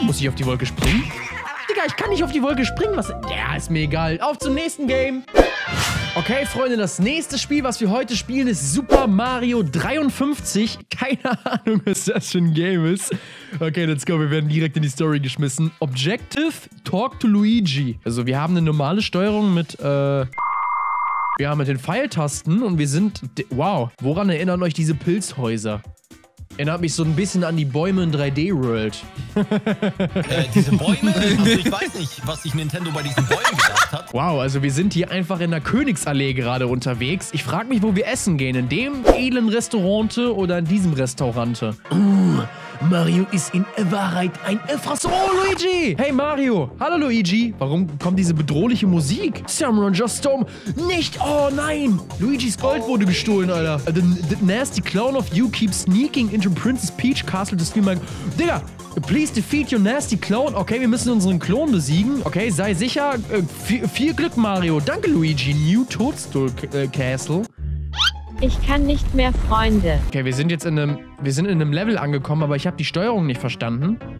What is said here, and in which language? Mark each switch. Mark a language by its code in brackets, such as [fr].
[de] Digga, ich kann nicht auf die Wolke springen, was... Ja, ist mir egal. Auf zum nächsten Game. Okay, Freunde, das nächste Spiel, was wir heute spielen, ist Super Mario 53. Keine Ahnung, was das für ein Game ist. Okay, [en] let's go, [de] wir werden direkt in die Story geschmissen. [en] Objective, talk to Luigi. [de] Also, wir haben eine normale Steuerung mit, ja, mit den Pfeiltasten und wir sind... Wow, woran erinnern euch diese Pilzhäuser? Erinnert mich so ein bisschen an die Bäume in 3D World. Diese Bäume? Also ich weiß nicht, was sich Nintendo bei diesen Bäumen gedacht hat. Wow, also wir sind hier einfach in der Königsallee gerade unterwegs. Ich frag mich, wo wir essen gehen. In dem edlen Restaurante oder in diesem Restaurante? Mario ist in Wahrheit ein Erfrasser. Oh, Luigi! Hey, Mario! Hallo, Luigi! Warum kommt diese bedrohliche Musik? Samron Just Storm! Nicht! Oh, nein! Luigis Gold wurde gestohlen, Alter. [en] The nasty clown of you keeps sneaking into Princess Peach Castle to steal my... Digga! Please defeat your nasty clown. [de] Okay, wir müssen unseren Klon besiegen. Okay, sei sicher. Viel Glück, Mario. Danke, Luigi. [en] New Toadstool Castle. [de] Ich kann nicht mehr, Freunde. Okay, wir sind jetzt in einem... Wir sind in einem Level angekommen, aber ich habe die Steuerung nicht verstanden.